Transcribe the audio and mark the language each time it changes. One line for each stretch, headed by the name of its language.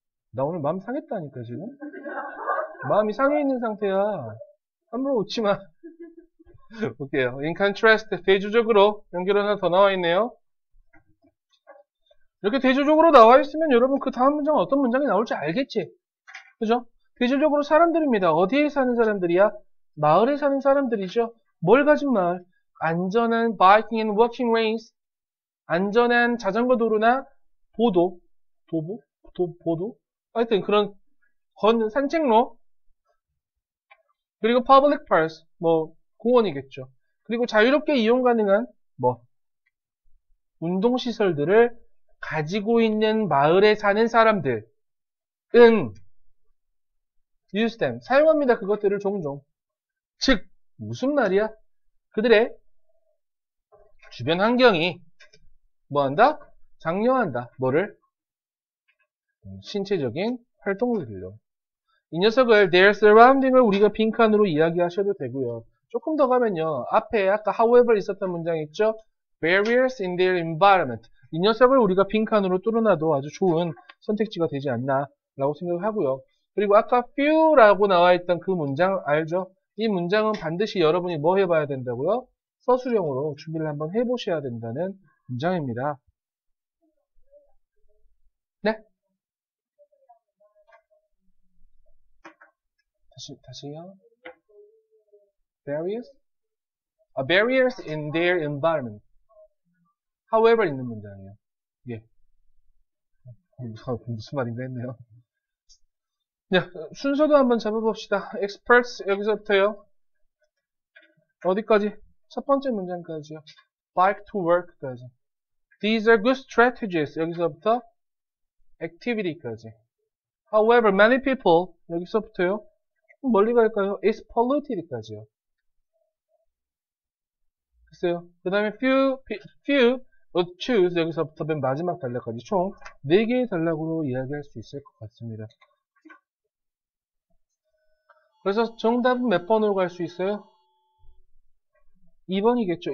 Korean: 나 오늘 마음 상했다니까 지금 마음이 상해 있는 상태야. 함부로 웃지 마. 볼게요. In contrast, 대조적으로 연결 하나 더 나와 있네요. 이렇게 대조적으로 나와 있으면 여러분 그 다음 문장은 어떤 문장이 나올지 알겠지? 그죠? 대조적으로 사람들입니다. 어디에 사는 사람들이야? 마을에 사는 사람들이죠. 뭘 가진 마을? 안전한
English: biking and walking lanes.
Korean: 안전한 자전거 도로나 보도, 도보, 보도. 하여튼 그런 걷는 산책로. 그리고 public parks, 뭐 공원이겠죠. 그리고 자유롭게 이용 가능한 뭐 운동 시설들을 가지고 있는 마을에 사는 사람들은
English: use them,
Korean: 사용합니다. 그것들을 종종. 즉, 무슨 말이야? 그들의 주변 환경이 뭐 한다? 장려한다. 뭐를? 신체적인 활동들을요. 이 녀석을 their surrounding을 우리가 빈칸으로 이야기하셔도 되고요. 조금 더 가면요. 앞에 아까 however 있었던 문장 있죠?
English: barriers in their environment.
Korean: 이 녀석을 우리가 빈칸으로 뚫어놔도 아주 좋은 선택지가 되지 않나라고 생각을 하고요. 그리고 아까 few라고 나와 있던 그 문장 알죠? 이 문장은 반드시 여러분이 뭐 해봐야 된다고요? 서술형으로 준비를 한번 해보셔야 된다는 문장입니다. 네? 다시요. Barriers?
English: Barriers in their environment.
Korean: However 있는 문장이에요. 예. 무슨 말인가 했네요. 네, 순서도 한번 잡아봅시다. Experts 여기서부터요. 어디까지? 첫 번째 문장까지요. Bike to work까지.
English: These are good strategies.
Korean: 여기서부터 activity까지.
English: However, many people 여기서부터요.
Korean: 멀리 갈까요?
English: It's polluted까지요.
Korean: 글쎄요. 그 다음에 few, or choose 여기서부터 맨 마지막 단락까지 총 4개의 단락으로 이야기할 수 있을 것 같습니다. 그래서 정답은 몇 번으로 갈수 있어요? 2번이겠죠.